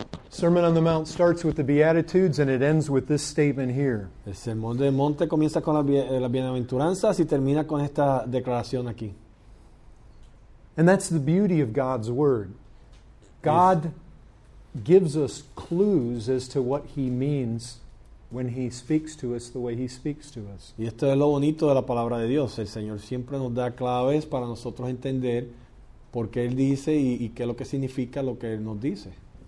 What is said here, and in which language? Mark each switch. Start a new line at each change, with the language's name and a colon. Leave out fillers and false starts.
English: Sermon on the Mount starts with the Beatitudes and it ends with this statement here.
Spanish: El Sermón del Monte comienza con las bienaventuranzas y termina con esta declaración aquí.
English: And that's the beauty of God's word. God gives us clues as to what he means when he speaks to us the way he speaks to us.
Spanish: Y esto es lo bonito de la palabra de Dios. El Señor siempre nos da claves para nosotros entender por qué él dice y qué es lo que significa lo que él nos dice.